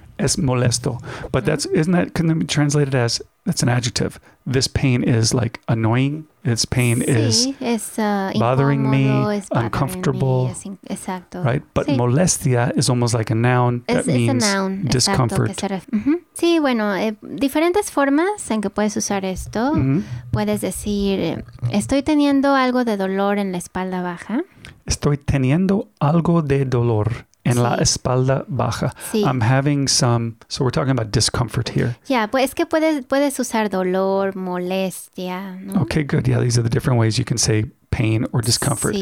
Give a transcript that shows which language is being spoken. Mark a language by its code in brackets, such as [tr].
[es] Es molesto. [en] But mm-hmm. that's, isn't that, can it be translated as That's an adjective. This pain is like annoying. This pain is bothering me, uncomfortable. Right? But sí. Molestia is almost like a noun that means discomfort. [es] Sí, bueno, diferentes formas en que puedes usar esto. Mm-hmm. Puedes decir, estoy teniendo algo de dolor en la espalda baja. Estoy teniendo algo de dolor. En sí. La espalda baja. Sí. [en] I'm having some... So we're talking about discomfort here. [es] Yeah, pues es que puedes usar dolor, molestia, ¿no? [en] Okay, good. Yeah, these are the different ways you can say pain or discomfort.